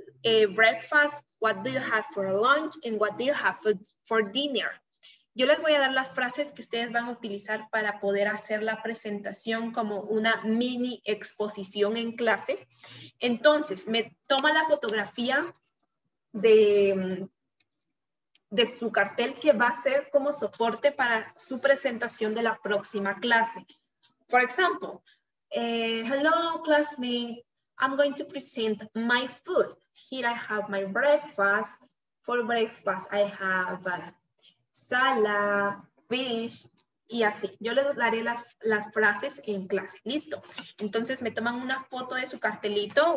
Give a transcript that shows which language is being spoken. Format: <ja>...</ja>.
<en>Breakfast, what do you have for lunch and what do you have for dinner?</en> <es>Yo les voy a dar las frases que ustedes van a utilizar para poder hacer la presentación como una mini exposición en clase. Entonces, me toma la fotografía de su cartel que va a ser como soporte para su presentación de la próxima clase.</es> <en>For example, hello classmate, I'm going to present my food. Here I have my breakfast. For breakfast I have salad, fish,</en> <es>y así. Yo les daré las frases en clase. Listo. Entonces me toman una foto de su cartelito.</es>